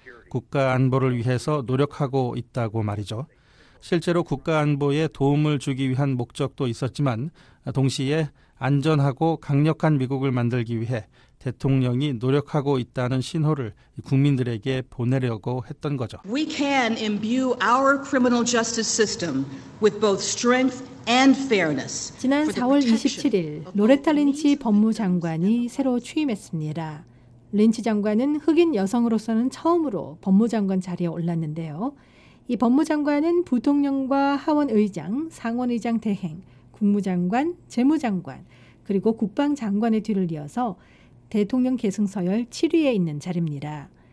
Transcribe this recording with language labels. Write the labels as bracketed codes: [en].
[ko] 국가 안보를 위해서 노력하고 있다고 말이죠. 실제로 국가 안보에 도움을 주기 위한 목적도 있었지만 동시에 안전하고 강력한 미국을 만들기 위해 대통령이 노력하고 있다는 신호를 국민들에게 보내려고 했던 거죠. [en] We can imbue our criminal justice system with both strength and fairness. [ko] 지난 4월 27일 로레타 린치 법무장관이 새로 취임했습니다. 린치 장관은 흑인 여성으로서는 처음으로 법무장관 자리에 올랐는데요. 이 법무장관은 부통령과 하원의장, 상원의장 대행, 국무장관, 재무장관, 그리고 국방장관의 뒤를 이어서 대통령 계승 서열 7위에 있는 자리입니다.